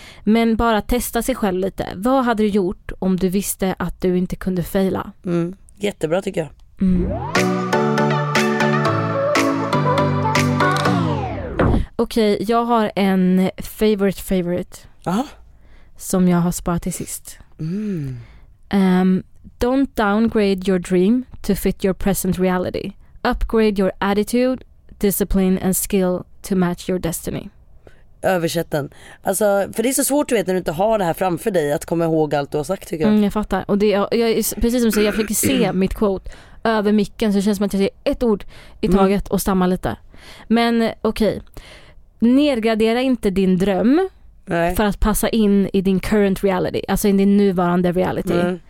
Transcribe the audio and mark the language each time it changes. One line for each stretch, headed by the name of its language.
Swedish: Men bara testa sig själv lite. Vad hade du gjort om du visste att du inte kunde fejla? Jättebra tycker jag. Okej, jag har en favorite. Aha. Som jag har sparat till sist. Mm.
English: Don't downgrade your dream to fit your present reality. Upgrade your attitude, discipline and skill to match your destiny.
Swedish: Översätt den. Alltså, för det är så svårt, du vet, när du inte har det här framför dig, att komma ihåg allt du har sagt, tycker jag. Jag fattar. Och det, jag, precis som du säger, jag fick se mitt quote över micken, så det känns som att jag säger ett ord i taget och stammar lite. Men okej, nedgradera inte din dröm för att passa in i din
English: current reality,
Swedish: alltså i din nuvarande reality.